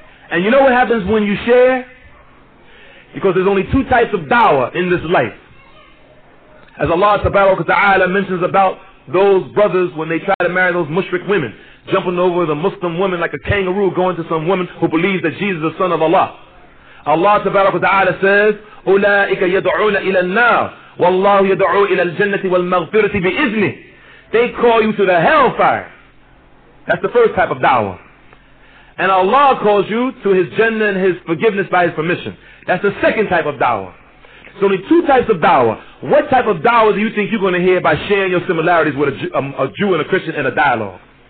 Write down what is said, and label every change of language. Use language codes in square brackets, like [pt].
[en] And you know what happens when you share? Because there's only two types of dawah in this life. As Allah subhanahu wa ta'ala mentions about those brothers when they try to marry those mushrik women, jumping over the Muslim woman like a kangaroo going to some woman who believes that Jesus is the son of Allah. Allah subhanahu wa ta'ala says, [ar] أُولَٰئِكَ يَدْعُونَ إِلَى النَّارِ وَاللَّهُ يَدْعُوا إِلَى الْجَنَّةِ وَالْمَغْفِرَةِ بِإِذْنِهِ. [en] They call you to the hellfire. That's the first type of da'wah. And Allah calls you to His Jannah and His forgiveness by His permission. That's the second type of da'wah. There's only two types of da'wah. What type of da'wah do you think you're going to hear by sharing your similarities with a Jew and a Christian in a dialogue?